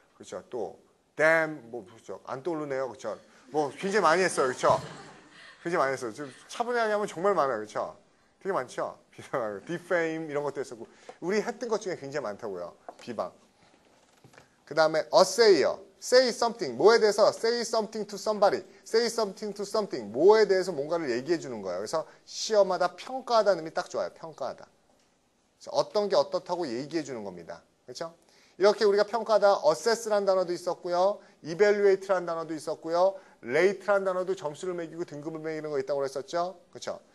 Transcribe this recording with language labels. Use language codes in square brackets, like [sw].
[ko] 그렇죠? 또 damn 뭐 그렇죠? 안 떠오르네요. 그렇죠? 뭐 굉장히 많이 했어요. 그렇죠? 굉장히 많이 했어요. 지금 차분하게 하면 정말 많아요. 그렇죠? 되게 많죠? 비방하고 defame 이런 것도 했었고 우리 했던 것 중에 굉장히 많다고요. 비방. 그다음에 assay요. [en] Say something. [ko] 뭐에 대해서? [en] Say something to somebody. Say something to something. [ko] 뭐에 대해서 뭔가를 얘기해 주는 거예요. 그래서 시험하다 평가하다는 의미 딱 좋아요. 평가하다. 어떤 게 어떻다고 얘기해 주는 겁니다. 그렇죠? 이렇게 우리가 평가하다 assess라는 단어도 있었고요. evaluate라는 단어도 있었고요. rate라는 단어도 점수를 매기고 등급을 매기는 거 있다고 그랬었죠? 그렇죠?